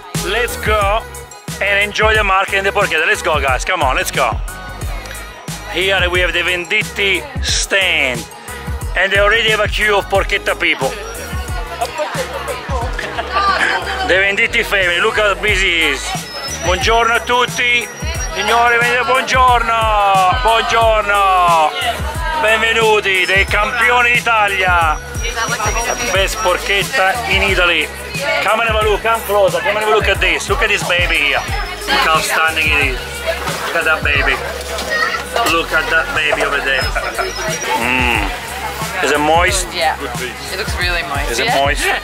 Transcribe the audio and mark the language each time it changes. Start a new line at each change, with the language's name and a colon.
English: Let's go and enjoy the market in the Porchetta. Let's go, guys. Come on, let's go. Here we have the Venditti stand, and they already have a queue of Porchetta people. The Venditti family, look how busy it is.
Italian: Buongiorno a tutti, signore, buongiorno, buongiorno, benvenuti dei campioni d'Italia.
English: The best Porchetta in Italy. Come and have a look, come closer, come and have a look at this. Look at this baby here. Look how stunning it is. Look at that baby. Look at that baby over there. Is it moist? Yeah. It looks really moist. Is it moist?